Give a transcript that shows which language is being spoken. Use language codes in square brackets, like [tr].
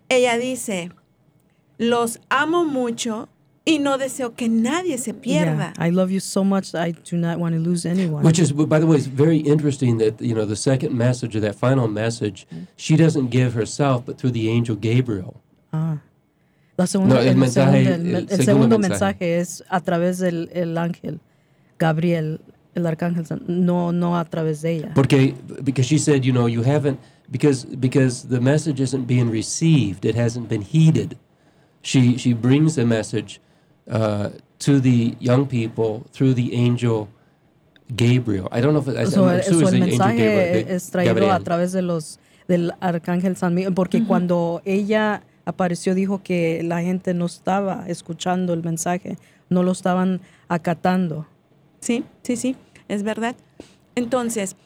[es] Ella dice, los amo mucho y no deseo que nadie se pierda. [en] Yeah, I love you so much that I do not want to lose anyone. Which is, by the way, it's very interesting that, you know, the second message, or that final message, she doesn't give herself, but through the angel Gabriel. [es] El segundo mensaje es a través del ángel Gabriel. El arcángel, no a través de ella. [en] Because she said, you know, you haven't, because the message isn't being received, it hasn't been heeded. She brings the message to the young people through the angel Gabriel. I don't know if it's [es] so, el mensaje angel Gabriel, es traído Gabriel. A través de los del arcángel San Miguel, porque cuando ella apareció dijo que la gente no estaba escuchando el mensaje, no lo estaban acatando. Sí, sí, sí, es verdad. Entonces.